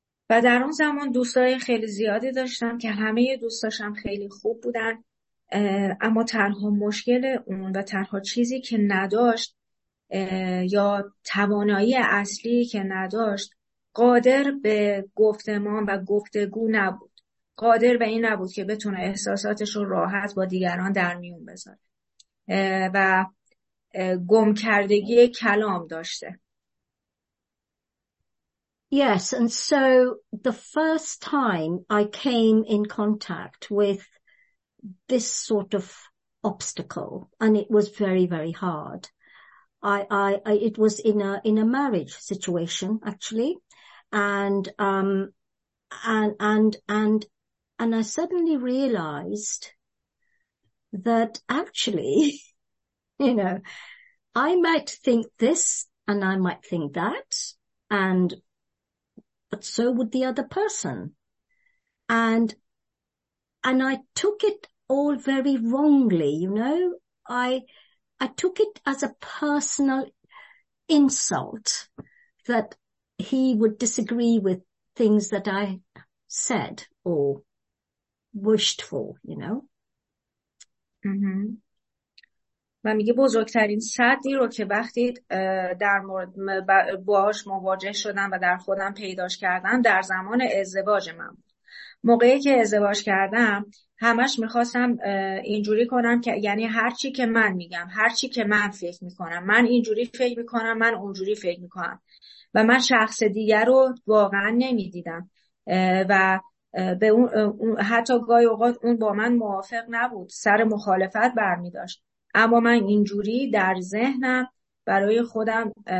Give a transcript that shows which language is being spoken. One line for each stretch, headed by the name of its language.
Persian: و در اون زمان دوستای خیلی زیادی داشتم که همه دوستاشم خیلی خوب بودن، اما تنها مشکل اون و تنها چیزی که نداشت یا توانایی اصلی که نداشت، قادر به گفتمان و گفتگو نبود، قادر به این نبود که بتونه احساساتش رو راحت با دیگران در میون بذاره و گمکردگی کلام داشته.
English: Yes, and so the first time I came in contact with this sort of obstacle, and it was very, very hard. It was in a marriage situation, actually, and I suddenly realized that actually, you know, I might think this and I might think that, and but so would the other person. And I took it all very wrongly, you know. I took it as a personal insult that he would disagree with things that I said or wished for, you know.
Persian: و میگه بزرگترین صدی رو که وقتی در مورد باهاش مواجه شدم و در خودم پیداش کردم در زمان ازدواج من بود. موقعی که ازدواج کردم همش میخواستم اینجوری کنم که، یعنی هرچی که من میگم، هرچی که من فکر میکنم، من اینجوری فکر میکنم، من اونجوری فکر میکنم و من شخص دیگر رو واقعا نمیدیدم و به اون حتی گاهی اوقات اون با من موافق نبود، سر مخالفت برمیداشت، اما من اینجوری در ذهنم برای خودم